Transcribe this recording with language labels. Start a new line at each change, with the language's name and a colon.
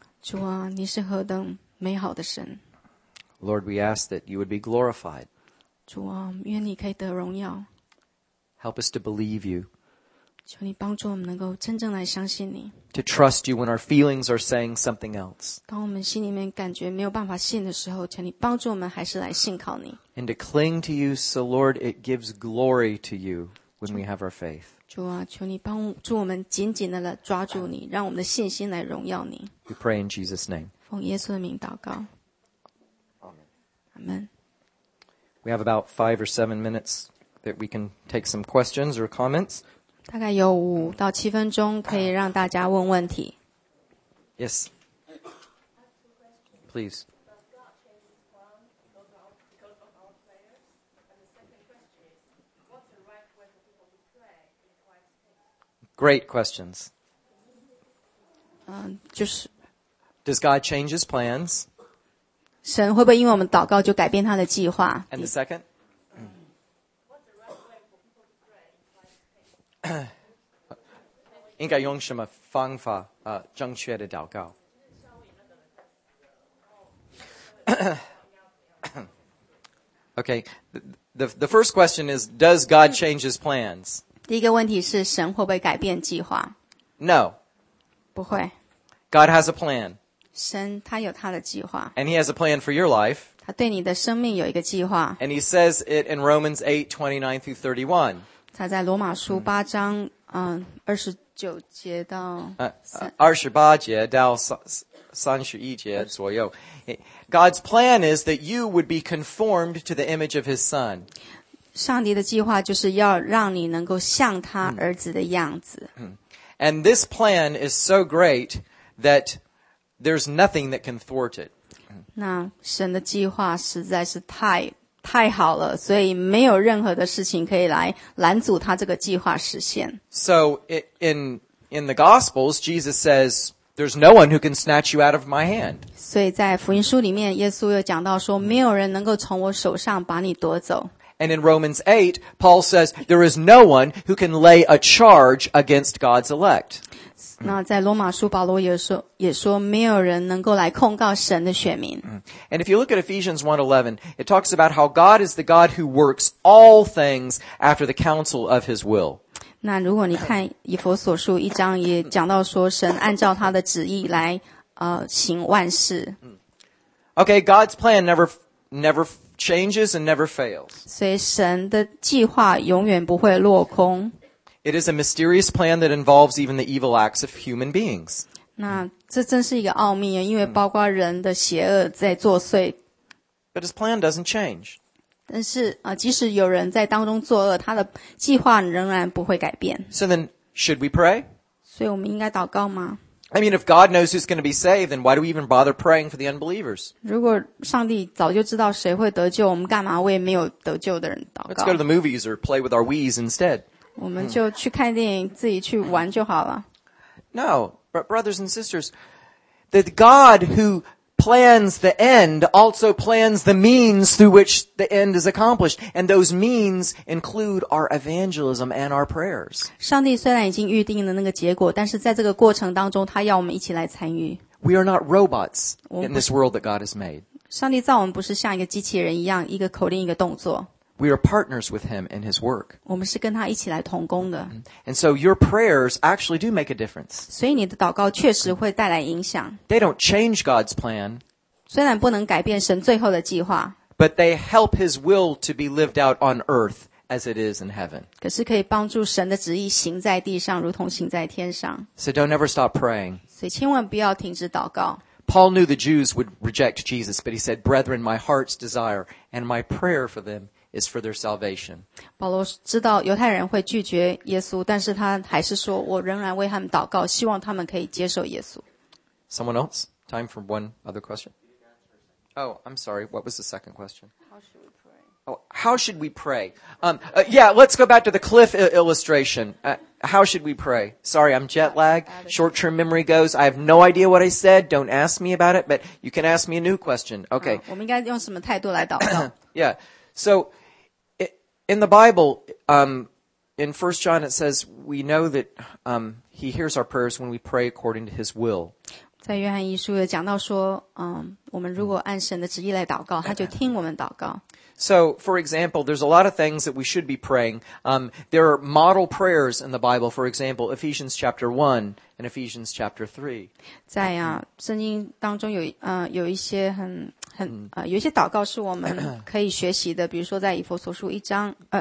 Chinese: 主啊，你是何等美好的神。
English: Lord, we ask that you would be glorified。
Chinese: 主啊，愿你可以得荣耀。
English: Help us to believe you。
Chinese: 求你帮助我们能够真正来相信你。
English: To trust you when our feelings are saying something else.
Chinese: 当我们心里面感觉没有办法信的时候，求你帮助我们还是来信靠你。
English: And to cling to you, so Lord, it gives glory to you when we have our faith.
Chinese: 主啊，求你帮助我们紧紧的来抓住你，让我们的信心来荣耀你。
English: We pray in Jesus' name.
Chinese: 奉耶稣的名祷告。
English: Amen. Amen. We have about 5 or 7 minutes that we can take some questions or comments.
Chinese: 大概有5到7分钟可以让大家问问题。
English: Yes. Please. Great questions.
Chinese: 就是。
English: Does God change his plans?
Chinese: 神会不会因为我们祷告就改变他的计划?
English: And the second?
Chinese: 应该用什么方法正确的祷告
English: Okay, the first question is, does God change his plans?
Chinese: 第一个问题是神会不会改变计划
English: No.
Chinese: 不会
English: God has a plan.
Chinese: 神他有他的计划
English: And he has a plan for your life.
Chinese: 他对你的生命有一个计划
English: And he says it in Romans 8:29-31.
Chinese: 他在罗马书八章二十九节到二十八节到三十一节左右
English: God's plan is that you would be conformed to the image of his son
Chinese: 上帝的计划就是要让你能够像他儿子的样子
English: And this plan is so great that there's nothing that can thwart it
Chinese: 那神的计划实在是太好了，所以没有任何的事情可以来拦阻他这个计划实现。
English: So in the Gospels, Jesus says, There's no one who can snatch you out of my hand.
Chinese: 所以在福音书里面，耶稣又讲到说，没有人能够从我手上把你夺走。
English: And in Romans 8, Paul says, there is no one who can lay a charge against God's elect.
Chinese: 那在罗马书保罗也说没有人能够来控告神的选民。
English: And if you look at Ephesians 1:11, it talks about how God is the God who works all things after the counsel of his will.
Chinese: 那如果你看以弗所书一章也讲到说神按照他的旨意来行万事。
English: Okay, God's plan never changes and never fails.
Chinese: 所以神的计划永远不会落空。
English: It is a mysterious plan that involves even the evil acts of human beings.
Chinese: 那这真是一个奥秘啊，因为包括人的邪恶在作祟。
English: But his plan doesn't change.
Chinese: 但是即使有人在当中作恶，他的计划仍然不会改变。
English: So then, should we pray?
Chinese: 所以我们应该祷告吗？
English: I mean, if God knows who's going to be saved, then why do we even bother praying for the unbelievers?
Chinese: 如果上帝早就知道谁会得救，我们干嘛为没有得救的人祷告？
English: Let's go to the movies or play with our Wiis instead.
Chinese: 我们就去看电影，自己去玩就好了。
English: No, but brothers and sisters, the God who plans the end also plans the means through which the end is accomplished, and those means include our evangelism and our prayers.
Chinese: 上帝虽然已经预定了那个结果，但是在这个过程当中，他要我们一起来参与。
English: We are not robots in this world that God has made.
Chinese: 上帝造我们不是像一个机器人一样，一个口令一个动作。
English: We are partners with him in his work.
Chinese: 我们是跟他一起来同工的。
English: And so your prayers actually do make a difference.
Chinese: 所以你的祷告确实会带来影响。
English: They don't change God's plan.
Chinese: 虽然不能改变神最后的计划。
English: But they help his will to be lived out on earth as it is in heaven.
Chinese: 可是可以帮助神的旨意行在地上如同行在天上。
English: So don't ever stop praying.
Chinese: 所以千万不要停止祷告。
English: Paul knew the Jews would reject Jesus, but he said, Brethren, my heart's desire and my prayer for them is for their salvation.
Chinese: 保罗知道犹太人会拒绝耶稣，但是他还是说，我仍然为他们祷告，希望他们可以接受耶稣。
English: Someone else? Time for one other question? Oh, I'm sorry. What was the second question? How should we pray? Let's go back to the cliff illustration. How should we pray? Sorry, I'm jet lag. Short-term memory goes. I have no idea what I said. Don't ask me about it, but you can ask me a new question. Okay.
Chinese: 我们应该用什么态度来祷告？
English: Yeah. So, in the Bible, in 1 John it says, we know that he hears our prayers when we pray according to his will.
Chinese: 在约翰一书也讲到说，我们如果按神的旨意来祷告，他就听我们祷告。
English: So, for example, there's a lot of things that we should be praying. There are model prayers in the Bible, for example, Ephesians chapter 1 and Ephesians chapter 3.
Chinese: 在圣经当中有一些有一些祷告是我们可以学习的，比如说在以弗所书一章